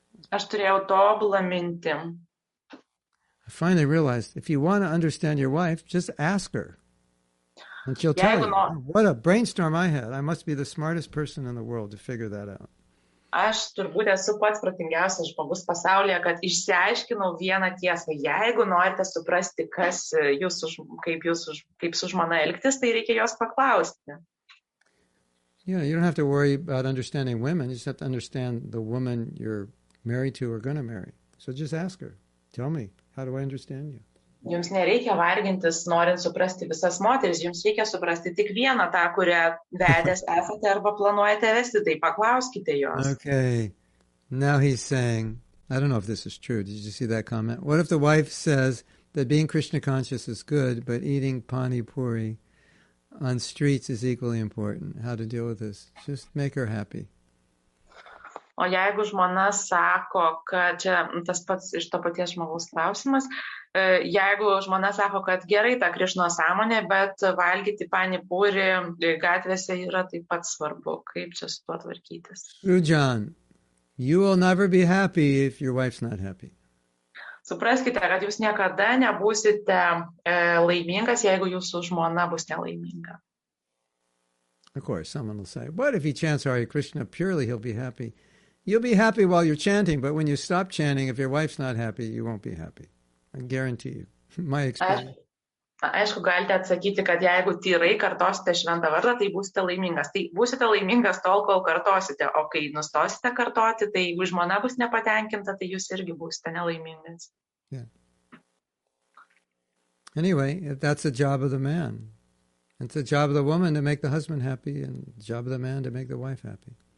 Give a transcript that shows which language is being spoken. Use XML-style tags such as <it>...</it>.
<lt>Aš turėjau tobulą mintį.</lt> <en>I finally realized, if you want to understand your wife, just ask her. And she'll tell you. What a brainstorm I had. I must be the smartest person in the world to figure that out.</en> <lt>Aš turbūt esu pats protingiausias žmogus pasaulyje, kad išsiaiškinau vieną tiesą. Jeigu norite suprasti, kas kaip su žmona elgtis, tai reikia jos paklausti.</lt> <en>Yeah, you don't have to worry about understanding women. You just have to understand the woman you're married to or going to marry. So just ask her. Tell me, how do I understand you?</en> <lt>Jums nereikia vargintis, norint suprasti visas moteris. Jums reikia suprasti tik vieną tą, kurią vedęs esate arba planuojate vesti. Tai paklauskite jos.</lt> <en>Okay. Now he's saying, I don't know if this is true. Did you see that comment? What if the wife says that being Krishna conscious is good, but eating pani puri on streets is equally important? How to deal with this? Just make her happy.</en> <lt>O jeigu žmona sako, kad čia tas pats iš to paties žmogaus klausimas, jeigu žmona sako, kad gerai ta Krišno sąmonė, bet valgyti pani būri gatvėse yra taip pat svarbu, kaip čia su tuo tvarkytis.</lt> <en>Rujan, you will never be happy if your wife's not happy.</en> <lt>Supraskite, kad jūs niekada nebūsite laimingas, jeigu jūsų žmona bus nelaiminga.</lt> <en>Of course, someone will say, what if he chants Hare Krishna purely, he'll be happy. You'll be happy while you're chanting, but when you stop chanting, if your wife's not happy, you won't be happy. I guarantee you. My experience.</en> <lt>Aišku, galite atsakyti, kad jeigu tyrai kartosite šventą vardą, tai būsite laimingas. Tai būsite laimingas tol, kol kartosite. O kai nustosite kartoti, tai jeigu žmona bus nepatenkinta, tai jūs irgi būsite nelaimingas.</lt> <en>Yeah. Anyway, that's the job of the man. It's the job of the woman to make the husband happy and the job of the man to make the wife happy.</en>